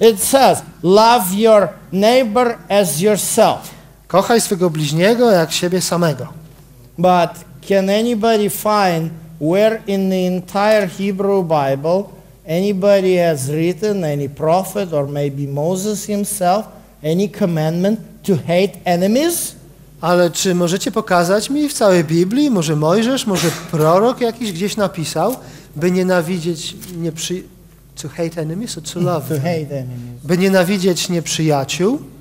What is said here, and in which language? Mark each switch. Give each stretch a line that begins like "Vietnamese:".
English: It says, love your neighbor as yourself.
Polish: Kochaj swego bliźniego jak siebie samego.
English: But can anybody find where in the entire Hebrew Bible anybody has written, any prophet or maybe Moses himself, any commandment to hate enemies?
Polish: Ale czy możecie pokazać mi w całej Biblii, może Mojżesz, może prorok jakiś gdzieś napisał, by nienawidzieć
English: to hate enemies or to love? To hate enemies.
Polish: By nienawidzieć nieprzyjaciół?